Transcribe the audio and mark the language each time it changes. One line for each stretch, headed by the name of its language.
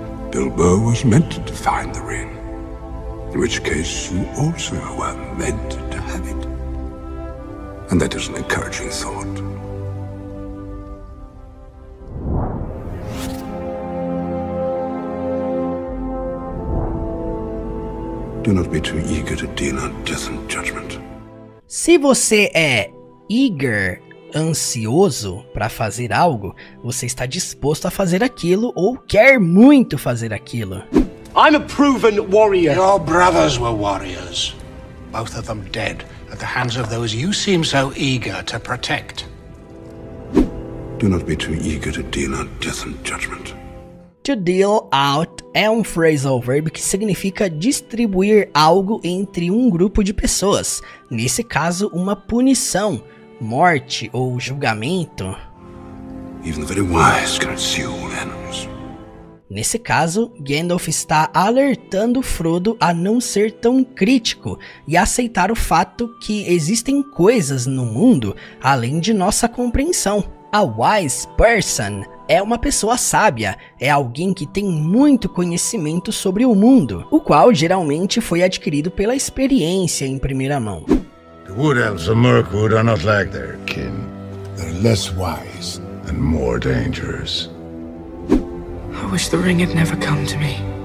English: Bilbo was meant to find the ring, in which case you also were meant to have it. And that is an encouraging thought. Do not be too eager to deal out death and judgment.
Portuguese: Se você é eager, ansioso para fazer algo, você está disposto a fazer aquilo ou quer muito fazer aquilo.
English: I'm a proven warrior. Your brothers were warriors. Both of them dead at the hands of those you seem so eager to protect. Do not be too eager to deal out death and judgment.
Portuguese: To deal out é um phrasal verb que significa distribuir algo entre um grupo de pessoas. Nesse caso, uma punição, morte ou julgamento.
English: Even the very wise cannot see all ends.
Portuguese: Nesse caso, Gandalf está alertando Frodo a não ser tão crítico e aceitar o fato que existem coisas no mundo além de nossa compreensão.
English: A wise person
Portuguese: é uma pessoa sábia, é alguém que tem muito conhecimento sobre o mundo, o qual geralmente foi adquirido pela experiência em primeira mão.
English: The Wood Elves of Mirkwood are not like their kin. They're less wise and more dangerous. I wish the ring had never come to me.